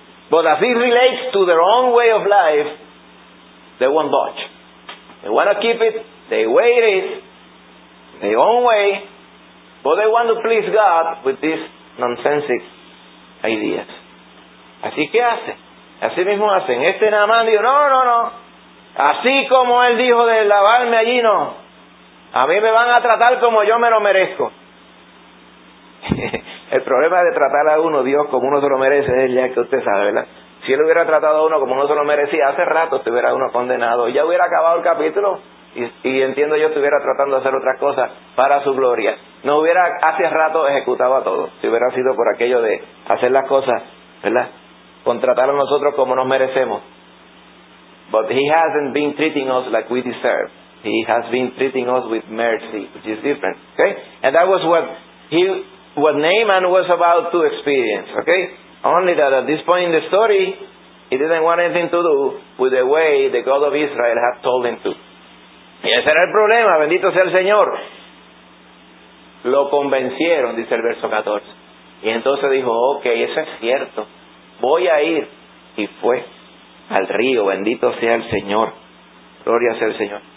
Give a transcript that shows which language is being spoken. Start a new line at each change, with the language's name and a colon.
English: But as it relates to their own way of life, they won't budge. They want to keep it the way it is, their own way, but they want to please God with these nonsensical ideas.
Spanish: Así que hace, así mismo hacen. Este Naamán dijo, no, así como él dijo de lavarme allí, no, a mí me van a tratar como yo me lo merezco. El problema de tratar a uno Dios como uno se lo merece es ya que usted sabe, ¿verdad? Si él hubiera tratado a uno como uno se lo merecía, hace rato estuviera uno condenado, ya hubiera acabado el capítulo y entiendo yo estuviera tratando de hacer otras cosas para su gloria. No hubiera hace rato ejecutado a todos, si hubiera sido por aquello de hacer las cosas, ¿verdad? Contratar a nosotros como nos merecemos.
English: But he hasn't been treating us like we deserve. He has been treating us with mercy, which is different. Okay? And that was what Naaman was about to experience. Okay? Only that at this point in the story, he didn't want anything to do with the way the God of Israel had told him to.
Spanish: Y ese era el problema, bendito sea el Señor. Lo convencieron, dice el verso 14. Y entonces dijo, okay, eso es cierto. Voy a ir. Y fue al río, bendito sea el Señor. Gloria sea el Señor.